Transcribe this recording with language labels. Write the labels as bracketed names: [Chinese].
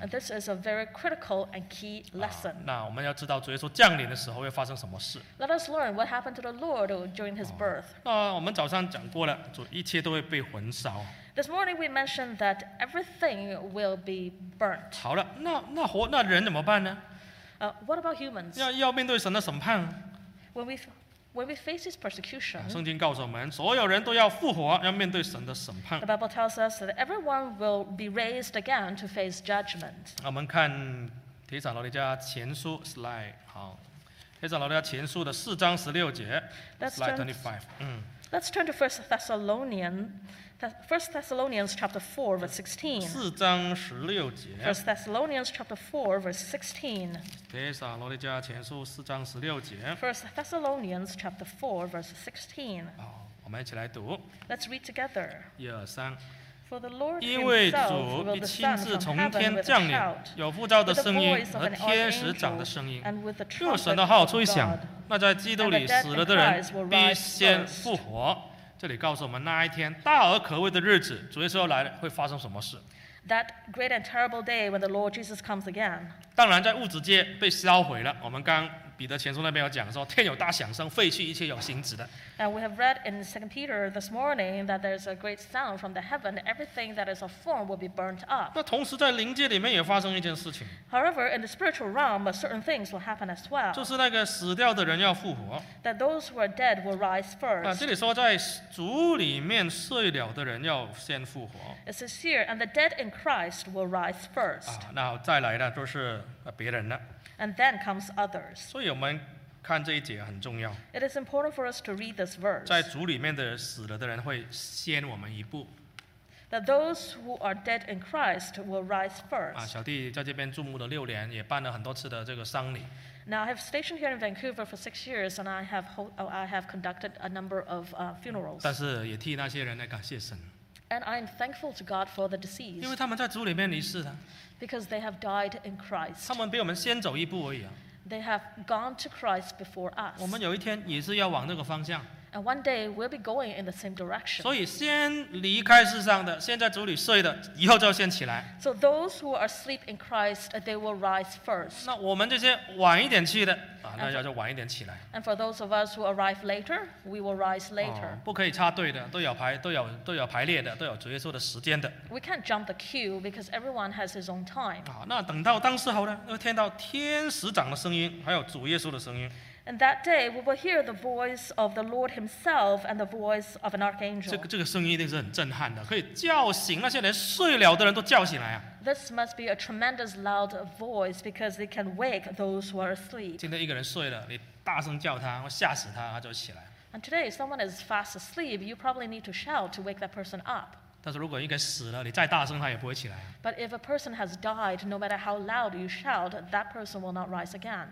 [English] And this is a very critical and key lesson. [Chinese] 那我们要知道主耶稣降临的时候会发生什么事。 [English] Let us learn what happened to the Lord during his birth. [Chinese] 那我们早上讲过了，主一切都会被焚烧。 [English] This morning we mentioned that everything will be burnt. [Chinese] 好了，那人怎么办呢？ [English] What about humans? [Chinese] 要面对神的审判。 [English] When we face his persecution, [Chinese] 圣经告诉我们，所有人都要复活，要面对神的审判。 [English] The Bible tells us that everyone will be raised again to face judgment. [Chinese] 我们看《帖撒罗尼迦前书》 slide，好，《帖撒罗尼迦前书》的4章16节 [English] Let's turn to 1 Thessalonians chapter 4 verse 16. [Chinese] 4章16节. [English] 1 Thessalonians chapter 4 verse 16. [Chinese] 帖撒罗尼迦前书4章16节. [English] 1 Thessalonians chapter 4 verse 16. [Chinese] 好，我们一起来读。 [English] Let's read together. [Chinese] 1、2、3。 [English] For the Lord himself will descend from heaven with a shout, with the voice of an archangel, and with the trumpet of God. [Chinese] 那在基督里死了的人必先复活。这里告诉我们那一天大而可畏的日子，主耶稣要来了，会发生什么事？ [English] That great and terrible day when the Lord Jesus comes again. [Chinese] 当然，在物质界被销毁了。我们刚彼得前书那边有讲说，天有大响声，废去一切有形质的。 [English] And we have read in 2 Peter this morning that there's a great sound from the heaven. Everything that is of form will be burnt up. [Chinese] 那同时在灵界里面也发生一件事情。 [English] However, in the spiritual realm, certain things will happen as well. [Chinese] 就是那个死掉的人要复活。 [English] That those who are dead will rise first. [Chinese] 啊，这里说在主里面睡了的人要先复活。 [English] It says here, and the dead in Christ will rise first. [Chinese] 啊，那再来的就是别人了。 [English] And then comes others. [Chinese] 所以我们看这一节很重要。 [English] It is important for us to read this verse. [Chinese] 在主里面的死了的人会先我们一步。 [English] That those who are dead in Christ will rise first. [Chinese] 啊，小弟在这边注目了六年，也办了很多次的这个丧礼。 [English] Now I have stationed here in Vancouver for 6 years, and I have conducted a number of funerals. [Chinese] 但是也替那些人来感谢神。 [English] And I am thankful to God for the deceased. [Chinese] 因为他们在主里面离世了。 [English] Because they have died in Christ. [Chinese] 他们比我们先走一步而已啊。 [English] They have gone to Christ before us. [Chinese] 我们有一天也是要往那个方向。 [English] And one day we'll be going in the same direction. [Chinese] 所以先离开世上的，先在主里睡的，以后就要先起来。 [English] So those who are asleep in Christ, they will rise first. [Chinese] 那我们这些晚一点去的啊，那要就晚一点起来。 [English] And for those of us who arrive later, we will rise later. [Chinese] 不可以插队的，都有排列的，都有主耶稣的时间的。 [English] We can't jump the queue because everyone has his own time. [Chinese] 啊，那等到当时候呢，又听到天使长的声音，还有主耶稣的声音。 [English] And that day, we will hear the voice of the Lord Himself and the voice of an archangel. [Chinese] 这个声音一定是很震撼的，可以叫醒那些连睡了的人都叫醒来啊。 [English] This must be a tremendous loud voice because it can wake those who are asleep. [Chinese] 今天一个人睡了，你大声叫他，我吓死他，他就起来。 [English] And today, someone is fast asleep. You probably need to shout to wake that person up. [Chinese] 但是如果一个死了，你再大声他也不会起来。 [English] But if a person has died, no matter how loud you shout, that person will not rise again.